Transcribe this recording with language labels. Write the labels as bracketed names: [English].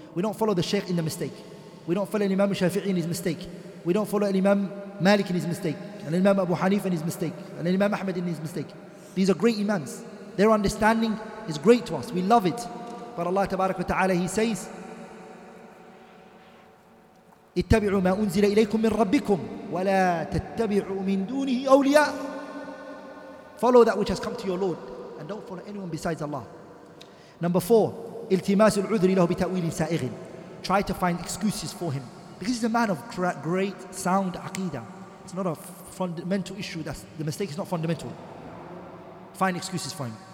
[English] We don't follow the Shaykh in the mistake. We don't follow Imam Shafi'i in his mistake. We don't follow Imam Malik in his mistake. And Imam Abu Hanifa in his mistake. And Imam Ahmed in his mistake. These are great imams. Their understanding is great to us. We love it. But Allah Tabarak wa Ta'ala, He says, [Arabic] اتبعوا ما أنزل إليكم من ربكم ولا تتبعوا من دونه أولياء. [English] Follow that which has come to your Lord and don't follow anyone besides Allah. Number four, [Arabic] التماس العذر له بتأويل سائغ. [English] Try to find excuses for him because he's a man of great sound aqidah. It's not a fundamental issue. That's the mistake is not fundamental. Find excuses for him.